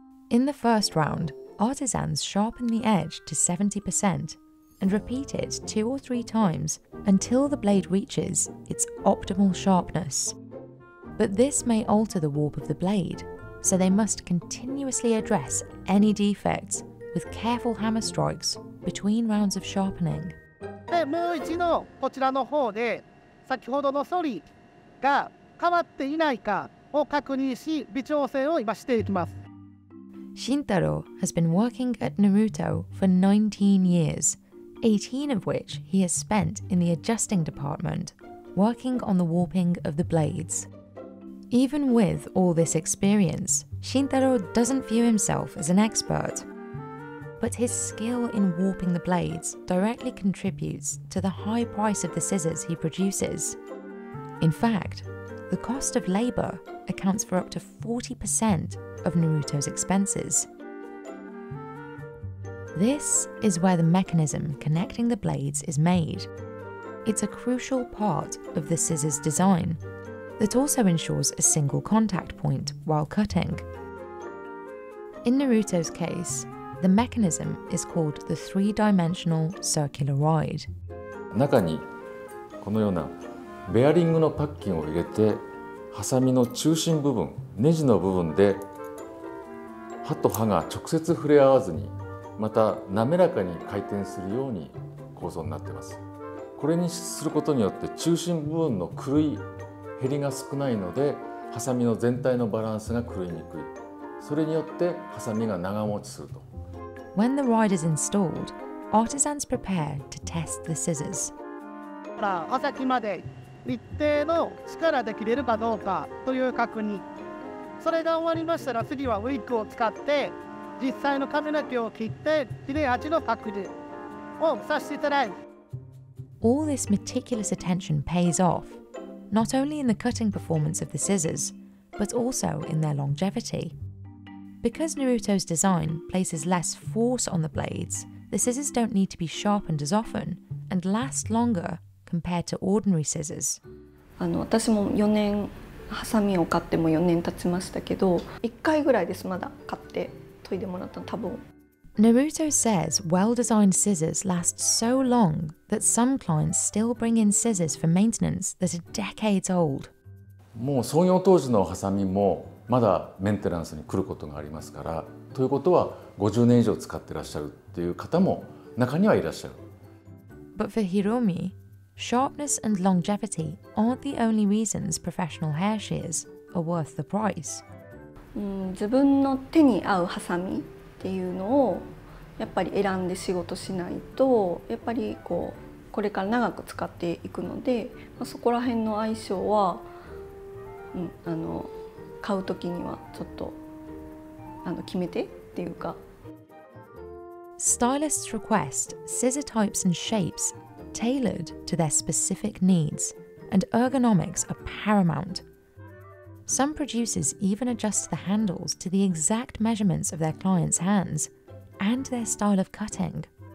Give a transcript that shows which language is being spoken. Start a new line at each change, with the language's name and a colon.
English: In the first round, artisans sharpen the edge to 70% and repeat it 2 or 3 times until the blade reaches its optimal sharpness. But this may alter the warp of the blade, so they must continuously address any defects with careful hammer strikes between rounds of sharpening.
Japanese: もう一度こちらの方で先ほどのソリが変わっていないかを確認し微調整を今していきます。
English: Shintaro has been working at Naruto for 19 years, 18 of which he has spent in the adjusting department, working on the warping of the blades. Even with all this experience, Shintaro doesn't view himself as an expert. But his skill in warping the blades directly contributes to the high price of the scissors he produces. In fact, the cost of labor accounts for up to 40% of Naruto's expenses. This is where the mechanism connecting the blades is made. It's a crucial part of the scissors' design that also ensures a single contact point while cutting. In Naruto's case,The mechanism is called the three-dimensional circularoid.
Japanese: 中にこのようなベアリングのパッキンを入れて、ハサミの中心部分、ネジの部分で刃と刃が直接触れ合わずに、また滑らかに回転するように構造になっています。これにすることによって中心部分の狂い、減りが少ないので、ハサミの全体のバランスが狂いにくい。それによってハサミが長持ちすると。
English: When the ride is installed, artisans prepare to test the scissors.
Japanese: 刃先まで一定の力で切れるかどうかという確認。それが終わりましたら次はウィッグを使って実際の髪の毛を切って切れ味の確認をさせていただいて。
English: All this meticulous attention pays off, not only in the cutting performance of the scissors, but also in their longevity. Because Naruto's design places less force on the blades, the scissors don't need to be sharpened as often and last longer compared to ordinary scissors.
Japanese: 私も4年ハサミを買っても4年経ちましたけど、1回ぐらいですまだ買って研いでもらったの多分。
English: Naruto says well-designed scissors last so long that some clients still bring in scissors for maintenance that are decades old.
Japanese: もう創業当時のハサミもまだメンテナンスに来ることがありますから、ということは50年以上使ってらっしゃるっていう方も中にはいらっしゃる。
English: But for Hiromi, sharpness and longevity aren't the only reasons professional hair shears are worth the price.
Japanese: 自分の手に合うハサミっていうのをやっぱり選んで仕事しないと、やっぱりこうこれから長く使っていくので、そこら辺の相性は、買うときにはちょっと決めてっていうか。
English: Stylists request scissor types and shapes tailored to their specific needs, and ergonomics are paramount. Some producers even adjust the handles to the exact measurements of their clients' hands and their style of cutting.